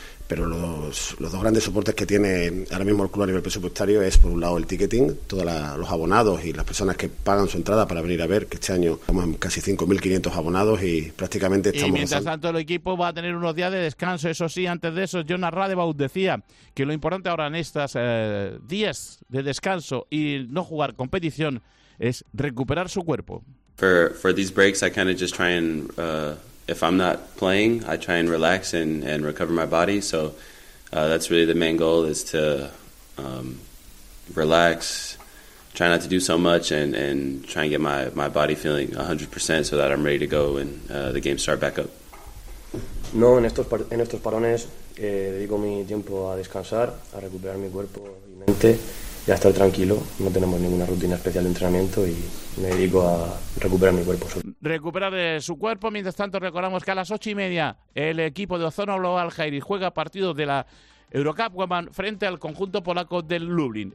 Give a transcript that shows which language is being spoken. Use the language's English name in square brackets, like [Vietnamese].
[Spanish] Pero los dos grandes soportes que tiene ahora mismo el club a nivel presupuestario es, por un lado, el ticketing, todos los abonados y las personas que pagan su entrada para venir a ver, que este año estamos en casi 5.500 abonados y prácticamente estamos... Y mientras tanto el equipo va a tener unos días de descanso, eso sí, antes de eso, Jonas Radebaut decía que lo importante ahora en estos días de descanso y no jugar competición es recuperar su cuerpo. [English] For these breaks I kind of just try and... If I'm not playing, I try and relax and recover my body. So that's really the main goal, is to relax, try not to do so much, and try and get my body feeling 100% so that I'm ready to go when the games start back up. [Spanish] No, en estos parones dedico mi tiempo a descansar, a recuperar mi cuerpo y mente y a estar tranquilo. No tenemos ninguna rutina especial de entrenamiento y me dedico a recuperar mi cuerpo. Recuperar su cuerpo. Mientras tanto, recordamos que a las 8:30 el equipo de Ozono Global Jairis juega partido de la Eurocup Women frente al conjunto polaco del Lublin.